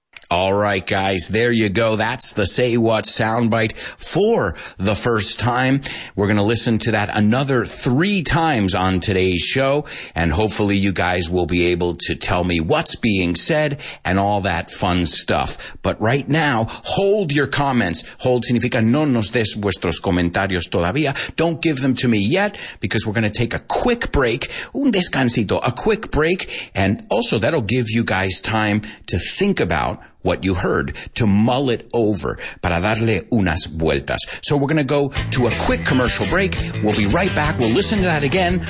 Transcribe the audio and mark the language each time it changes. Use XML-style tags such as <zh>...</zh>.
<en>All right, guys, there you go. That's the Say What soundbite for the first time. We're going to listen to that another three times on today's show, and hopefully you guys will be able to tell me what's being said and all that fun stuff. But right now, hold your comments.</en> <es>Hold significa no nos des vuestros comentarios todavía.</es> <en>Don't give them to me yet, because we're going to take a quick break,</en> <es>un descansito,</es> <en>a quick break, and also that'll give you guys time to think about what you heard, to mull it over,</en> <es>para darle unas vueltas.</es> <en>So we're going to go to a quick commercial break. We'll be right back. We'll listen to that again.</en>